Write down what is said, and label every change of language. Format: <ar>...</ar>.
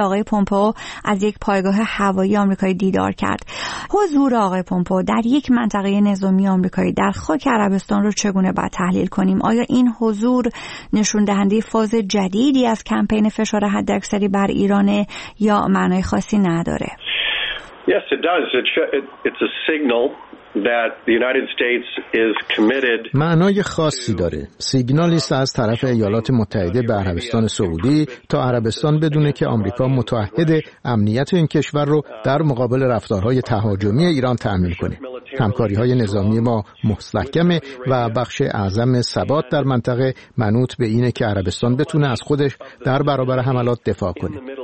<fa>آقای پومپئو از یک پایگاه هوایی آمریکایی دیدار کرد. حضور آقای پومپئو در یک منطقه نظامی آمریکایی در خاک عربستان رو چگونه باید تحلیل کنیم؟ آیا این حضور نشون دهنده فاز جدیدی از کمپین فشار حداکثری بر ایران یا معنای خاصی نداره؟</fa> <en>Yes, it does. It's a signal that the United States is committed.</en> <fa>معنای خاصی داره. سیگنالی است از طرف ایالات متحده به عربستان سعودی تا عربستان بدونه که آمریکا متعهد امنیت این کشور رو در مقابل رفتارهای تهاجمی ایران تأمین کنه. همکاری‌های نظامی ما مستحکم و بخش اعظم ثبات در منطقه منوط به اینه که عربستان بتونه از خودش در برابر حملات دفاع کنه.</fa>